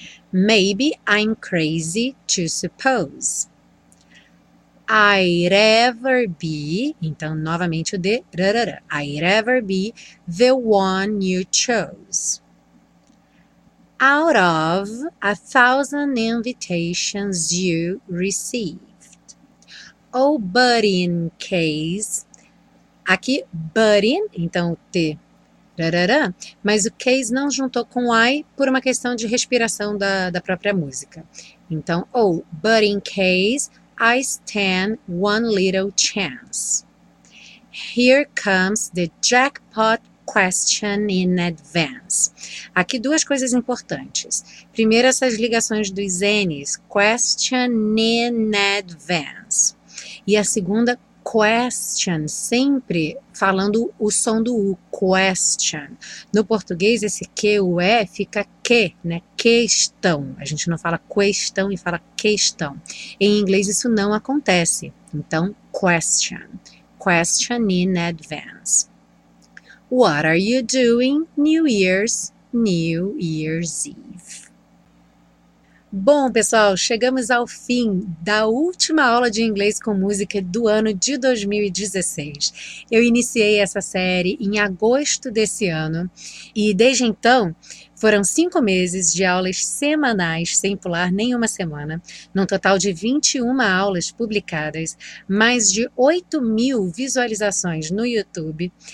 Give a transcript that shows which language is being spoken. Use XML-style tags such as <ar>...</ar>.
<en>Maybe I'm crazy to suppose I'd ever be,</en> <pt>então novamente o D,</pt> <en>I'd ever be the one you chose. Out of 1,000 invitations you received. Oh, but in case,</en> <pt>aqui,</pt> <en>but in,</en> <pt>então T, mas o case não juntou com I por uma questão de respiração da própria música.</pt> <en>Então, oh, but in case, I stand one little chance. Here comes the jackpot question in advance.</en> <pt>Aqui duas coisas importantes. Primeiro, essas ligações dos N's.</pt> <en>Question in advance.</en> <pt>E a segunda, question, sempre falando o som do U, question. No português, esse Q, o E, fica Q, né? Questão. A gente não fala questão e fala questão. Em inglês, isso não acontece. Então,</pt> <en>question. Question in advance. What are you doing New Year's Eve?</en> <pt>Bom, pessoal, chegamos ao fim da última aula de inglês com música do ano de 2016. Eu iniciei essa série em agosto desse ano e desde então foram 5 meses de aulas semanais, sem pular nenhuma semana, num total de 21 aulas publicadas, mais de 8 mil visualizações no YouTube,</pt>